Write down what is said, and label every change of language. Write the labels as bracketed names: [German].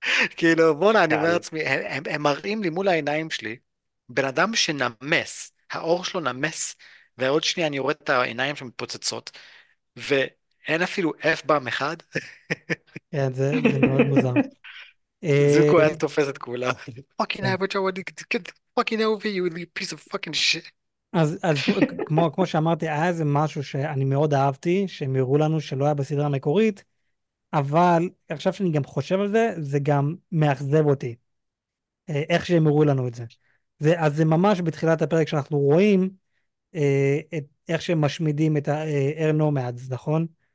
[Hebrew] כאילו, בואנה, אני אומר קל. לעצמי, הם מראים לי מול העיניים שלי, בן אדם שנמס, העור שלו נמס, ועוד שנייה אני רואה את העיניים שמתפוצצות, ואין אפילו אף באם אחד. כן, זה מאוד מוזר. זוקו היה תופס את כולם. פאקינג אבוטו, [English] fucking over you, you piece of fucking shit. [Hebrew] אז כמו שאמרתי, היה איזה משהו שאני מאוד אהבתי, שהם הראו לנו שלא היה בסדרה המקורית, אבל עכשיו שאני גם חושב על זה, זה גם מאכזב אותי. איך שהם הראו לנו את זה. אז זה ממש בתחילת הפרק שאנחנו רואים איך שהם משמידים את האר נומדס, נכון?